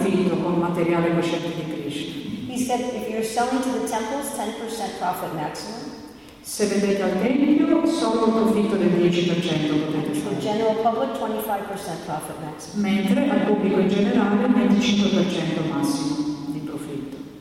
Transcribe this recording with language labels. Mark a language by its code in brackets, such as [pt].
[it] Prabhupada dice che si poteva fare un profitto con materiale cosciente di Krishna. [en] He said if you're selling to the temples, 10% profit maximum. [it] Se vendete al tempio, solo un profitto del 10% potete fare. [en] The general public, 25% profit maximum. [it] Mentre al pubblico in generale, 25% massimo di profitto.